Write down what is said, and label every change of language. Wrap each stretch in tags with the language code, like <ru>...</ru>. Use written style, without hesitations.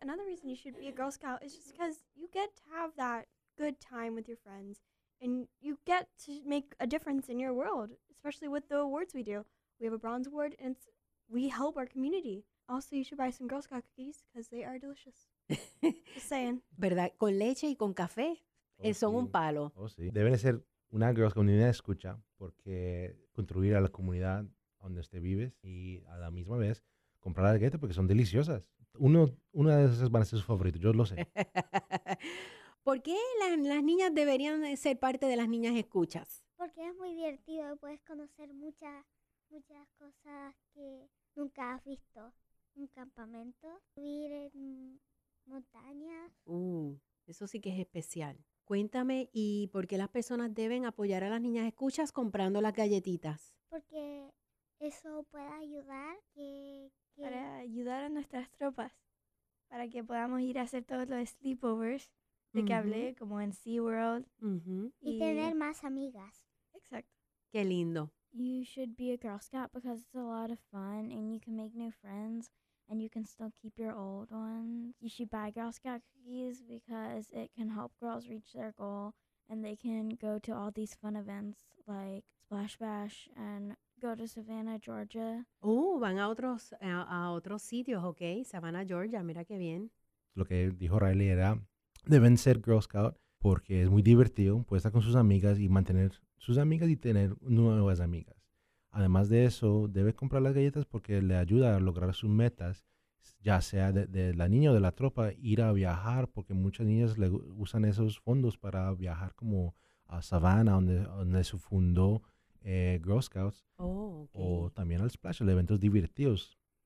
<en>Another reason you should be a Girl Scout is just because you get to have that good time with your friends and you get to make a difference in your world, especially with the awards we do. We have a bronze award and we help our community. Also, you should buy some Girl Scout cookies because they are delicious. Just saying.</en> <es>¿Verdad? Con leche y con café son un palo. Oh, sí. Deben ser una Girl Scout, una niña de escucha, porque contribuir a la comunidad donde usted vives y a la misma vez comprar la galleta porque son deliciosas. Una de esas van a ser su favorito, yo lo sé. ¿Por qué las niñas deberían ser parte de las niñas escuchas? Porque es muy divertido y puedes conocer muchas cosas que nunca has visto. Un campamento, vivir en montaña. Eso sí que es especial. Cuéntame, ¿y por qué las personas deben apoyar a las niñas escuchas comprando las galletitas? Porque eso puede ayudar. Para ayudar a nuestras tropas, para que podamos ir a hacer todos los sleepovers de que hablé, como en SeaWorld. Y tener más amigas. Exacto. Qué lindo.</es> <en>You should be a Girl Scout because it's a lot of fun and you can make new friends. And you can still keep your old ones. You should buy Girl Scout cookies because it can help girls reach their goal. And they can go to all these fun events like Splash Bash and go to Savannah, Georgia.</en> <es>Van a otros sitios, ok. Savannah, Georgia, mira qué bien. Lo que dijo Riley era, deben ser Girl Scout porque es muy divertido. Puedes estar con sus amigas y mantener sus amigas y tener nuevas amigas. Además de eso, debe comprar las galletas porque le ayuda a lograr sus metas, ya sea de la niña o de la tropa, ir a viajar, porque muchas niñas usan esos fondos para viajar como a Savannah, donde se fundó Girl Scouts, o también al Splash, los eventos divertidos.</es>